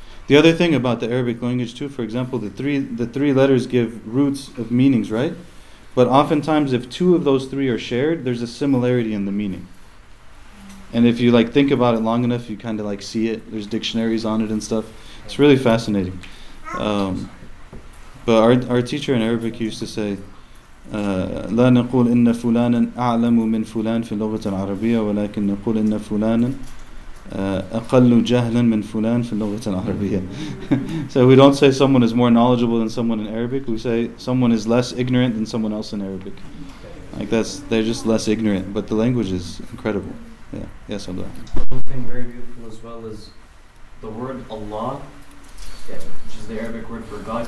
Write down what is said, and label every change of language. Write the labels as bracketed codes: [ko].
[en] The other thing about the Arabic language too, for example, the three letters give roots of meanings, right? But oftentimes if two of those three are shared, there's a similarity in the meaning. And if you like think about it long enough, you kind of like see it. There's dictionaries on it and stuff. It's really fascinating. But our teacher in Arabic used to say, [ar] لا نقول إن فلانا أعلم من فلان في اللغة العربية ولكن نقول إن فلانا أقل جهلا من فلان في اللغة العربية. [en] So we don't say someone is more knowledgeable than someone in Arabic. We say someone is less ignorant than someone else in Arabic. Like that's, they're just less ignorant, but the language is incredible. Yeah. Yes, Abdullah. One thing very beautiful as well is the word Allah, which is the Arabic word for God.